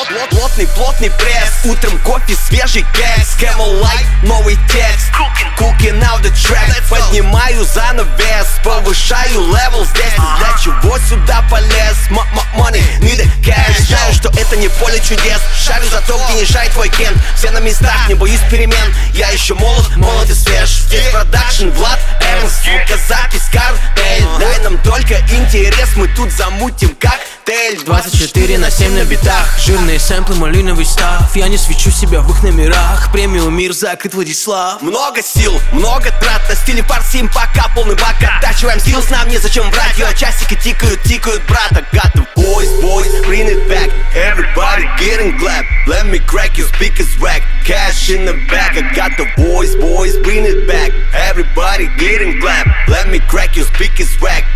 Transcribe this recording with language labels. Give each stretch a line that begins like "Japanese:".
Russian: Плотный, плотный пресс, утром кофе, свежий кэс.
English: Camel Light,
Russian: новый текст,
English: cooking out the track.
Russian: Поднимаю занавес, повышаю левел здесь. Для чего сюда полез,
English: money, need a cash.
Russian: Знаю, что это не поле чудес, шарю за то, где не шарит твой кент. Все на местах, не боюсь перемен, я еще молод, молод и свеж. Здесь продакшн, Влад Эрнст, сука, запись, картель. Дай нам только интерес, мы тут замутим как 24/7 на битах. Жирные сэмплы, малиновый став. Я не свечу себя в их номерах. Премиум мир закрыт, Владислав. Много сил, много трат. На стиле парсим пока полный бак. Оттачиваем скиллс, нам незачем врать. Йо, часики тикают, тикают, брат.
English: I got the boys, boys, bring it back. Everybody getting clap. Let me crack your speakers whack. Cash in the bag. I got the boys, boys, bring it back. Everybody getting clap. Let me crack your speakers whack.